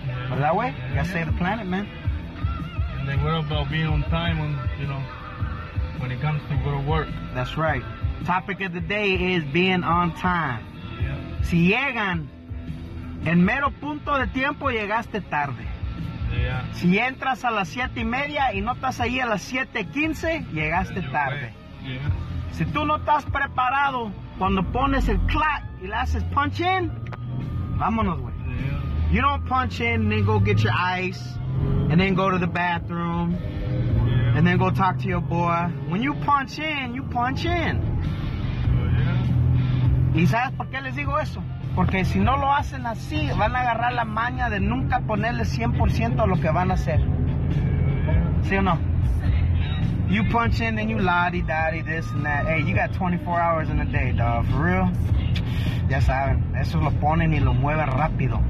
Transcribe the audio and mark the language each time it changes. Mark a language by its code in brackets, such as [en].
[en] Well, that way, you gotta save the planet, man. And then what about being on time when, you know, when it comes to go to work? That's right. Topic of the day is being on time. [es] Si llegan, en mero punto de tiempo llegaste tarde. [en] Yeah. [es] Si entras a las 7 y media y no estás ahí a las 7:15, llegaste tarde. [en] Yeah. [es] Si tú no estás preparado, cuando pones el clock y le haces punch in, vámonos, güey. [en] Yeah. You don't punch in and then go get your ice and then go to the bathroom and then go talk to your boy. When you punch in, you punch in. [es] ¿Y sabes por qué les digo eso? Porque si no lo hacen así, van a agarrar la maña de nunca ponerle 100% a lo que van a hacer. ¿Sí o no? [en] You punch in, then you la-di-da-di, this and that. Hey, you got 24 hours in a day, dog. For real? [es] Ya saben, eso lo ponen y lo mueven rápido.